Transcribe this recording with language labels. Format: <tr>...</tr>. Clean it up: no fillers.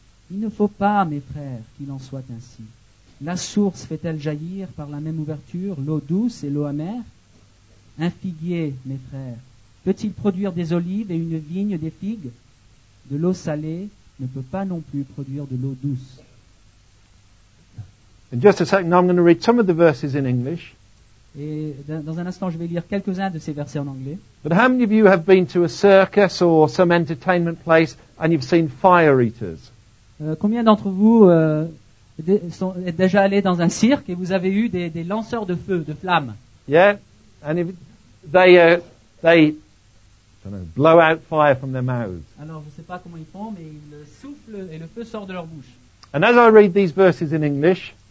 <fr>Il ne faut pas, mes frères, qu'il en soit ainsi. La source fait-elle jaillir par la même ouverture l'eau douce et l'eau amère? Un figuier, mes frères, peut-il produire des olives et une vigne des figues? De l'eau salée ne peut pas non plus produire de l'eau douce.</fr> <en>In just a second, I'm going to read some of the verses in English.</en> <fr>Et dans un instant, je vais lire quelques-uns de ces versets en anglais.</fr> <en>But how many of you have been to a circus or some entertainment place and you've seen fire eaters?</en> <fr>Combien d'entre vous êtes déjà allé dans un cirque et vous avez eu des lanceurs de feu, de flammes?</fr> <en>Yeah, and if they blow out fire from their mouths.</en> <fr>Alors, je ne sais pas comment ils font, mais ils soufflent et le feu sort de leur bouche.</fr> <en>And as I read these verses in English,</en>